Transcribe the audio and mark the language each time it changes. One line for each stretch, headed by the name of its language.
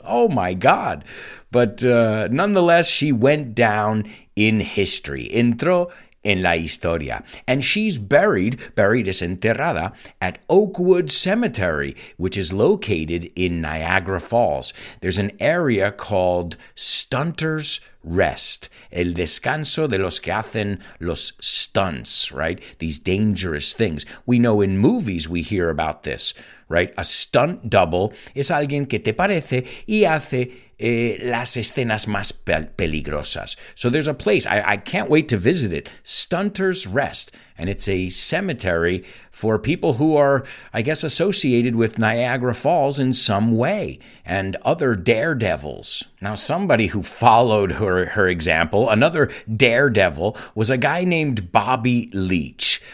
English: Oh my God. But nonetheless, she went down in history.
Spanish: Entró en la historia.
English: And she's buried is enterrada, at Oakwood Cemetery, which is located in Niagara Falls. There's an area called Stunter's Rest.
Spanish: El descanso de los que hacen los stunts, right?
English: These dangerous things. We know in movies we hear about this, right? A stunt double is
Spanish: alguien que te parece y hace las escenas más peligrosas.
English: So there's a place, I can't wait to visit it, Stunter's Rest, and it's a cemetery for people who are, I guess, associated with Niagara Falls in some way, and other daredevils. Now, somebody who followed her example, another daredevil, was a guy named Bobby Leach.